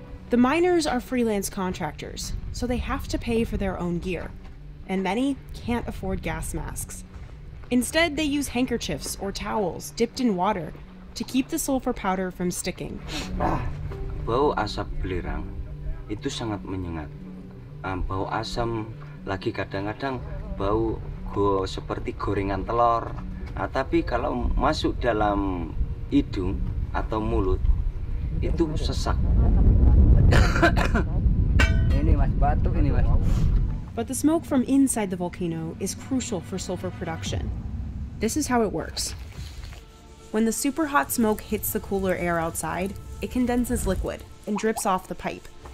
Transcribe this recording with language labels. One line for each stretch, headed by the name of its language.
English: The miners are freelance contractors, so they have to pay for their own gear. And many can't afford gas masks. Instead, they use handkerchiefs or towels dipped in water to keep the sulfur powder from sticking.
Indonesian: Bau asap belerang itu sangat menyengat. Bau asam lagi kadang-kadang bau seperti gorengan telur. Tapi kalau masuk dalam hidung atau mulut, itu sesak. Ini mas, batuk ini mas.
English: But the smoke from inside the volcano is crucial for sulfur production. This is how it works. When the super hot smoke hits the cooler air outside, it condenses liquid and drips off the pipe.